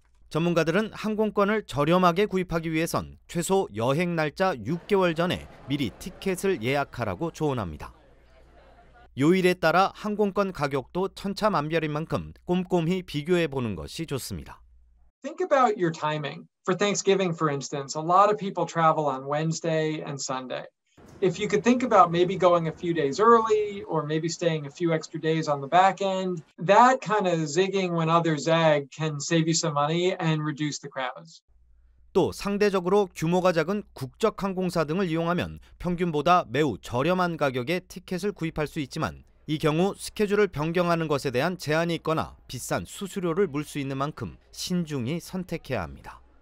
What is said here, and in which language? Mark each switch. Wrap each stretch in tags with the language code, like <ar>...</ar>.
<ko>전문가들은 항공권을 저렴하게 구입하기 위해선 최소 여행 날짜 6개월 전에 미리 티켓을 예약하라고 조언합니다. 요일에 따라 항공권 가격도 천차만별인 만큼 꼼꼼히 비교해보는 것이 좋습니다.</ko> <en>Think about your timing. For Thanksgiving, for instance, a lot of people travel on Wednesday and Sunday. If you could think about maybe going a few days early or maybe staying a few extra days on the back end, that kind of zigging when others zag can save you some money and reduce the crowds.</en> <ko>또 상대적으로 규모가 작은 국적 항공사 등을 이용하면 평균보다 매우 저렴한 가격에 티켓을 구입할 수 있지만 이 경우 스케줄을 변경하는 것에 대한 제한이 있거나 비싼 수수료를 물 수 있는 만큼 신중히 선택해야 합니다.</ko>